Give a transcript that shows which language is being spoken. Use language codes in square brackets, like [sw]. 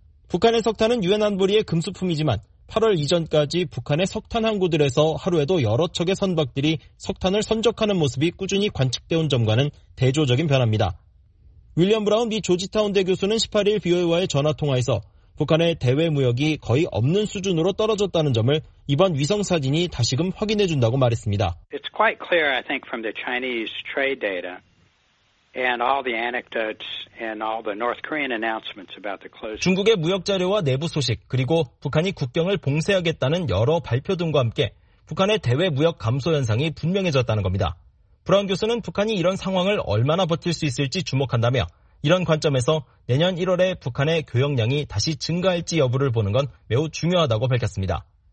[ko] 북한의 석탄은 유엔 안보리의 금수품이지만 8월 이전까지 북한의 석탄 항구들에서 하루에도 여러 척의 선박들이 석탄을 선적하는 모습이 꾸준히 관측돼온 점과는 대조적인 변화입니다. 윌리엄 브라운 미 조지타운대 교수는 18일 BOA와의 전화통화에서 북한의 대외 무역이 거의 없는 수준으로 떨어졌다는 점을 이번 위성 사진이 다시금 확인해 준다고 말했습니다. [en] It's quite clear, I think, from the Chinese trade data and all the anecdotes and all the North Korean announcements about the closure. [ko] 중국의 무역 자료와 내부 소식 그리고 북한이 국경을 봉쇄하겠다는 여러 발표 등과 함께 북한의 대외 무역 감소 현상이 분명해졌다는 겁니다. 브라운 교수는 북한이 이런 상황을 얼마나 버틸 수 있을지 주목한다며. 이런 관점에서 내년 1월에 북한의 교역량이 다시 증가할지 여부를 보는 건 매우 중요하다고 밝혔습니다.